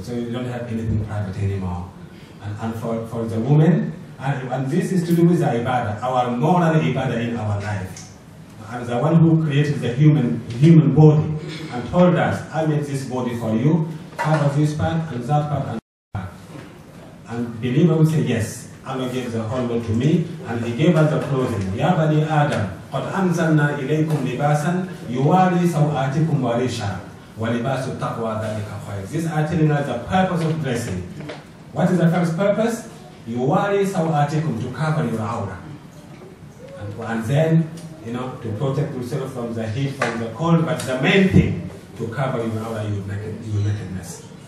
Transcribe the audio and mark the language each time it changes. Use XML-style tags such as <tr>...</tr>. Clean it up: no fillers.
<en>So you don't have anything private anymore. And for the woman, and this is to do with the ibadah, our moral ibadah in our life. and the one who created the human body and told us, I made this body for you, part of this part and that part and that part. And believer would say, yes, Allah gave the whole world to me, and he gave us the clothing.</en> <ar>Ya Bani Adam, قَدْ أَنْزَلْنَا إِلَيْكُمْ لِبَاسًا يُوَارِي سَوْآتِكُمْ وَرِيشًا وَلِبَاسُ التَّقْوَى ذَلِكَ خَيْرٌ.</ar> <en>This is telling us the purpose of dressing. What is the first purpose?</en> <ar>يُوَارِي سَوْآتِكُمْ,</ar> <en>to cover your aura. And then, you know, to protect yourself from the heat, from the cold, but the main thing, to cover your aura, your nakedness.</en>